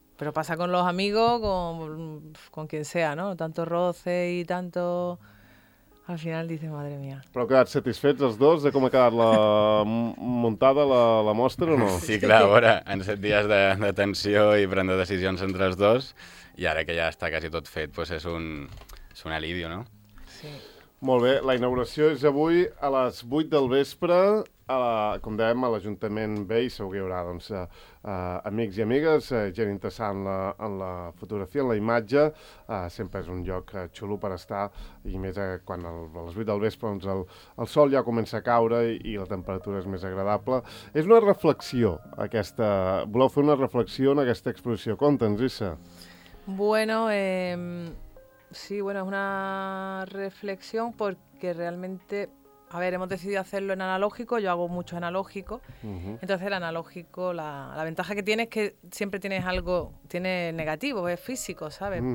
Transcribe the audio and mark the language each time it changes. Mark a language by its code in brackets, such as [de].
[es] Pero pasa con los amigos, con quien sea, ¿no? Tanto roce y tanto... Al final dice, madre mía. [ca] Però heu quedat satisfets els dos de com ha quedat la muntada, la mostra, o no? Sí, clar, a veure, en 7 dies de tensió i prendre decisions entre els dos, i ara que ja està quasi tot fet, doncs és un alivio, no? Sí. Molt bé, la inauguració és avui a les 8 del vespre, com dèiem, a l'Ajuntament Vell. Segur que hi haurà, doncs, amics i amigues, gent interessada en la fotografia, en la imatge. Sempre és un lloc xulo per estar, i més quan a les 8 del vespre, doncs, el sol ja comença a caure i la temperatura és més agradable. És una reflexió, aquesta... Voleu fer una reflexió en aquesta exposició? Conta'ns, Issa. [es] Bueno, sí, bueno, es una reflexión porque realmente, a ver, hemos decidido hacerlo en analógico, yo hago mucho analógico, uh-huh. Entonces el analógico, la ventaja que tiene es que siempre tienes algo, tiene negativo, es físico, ¿sabes? Uh-huh.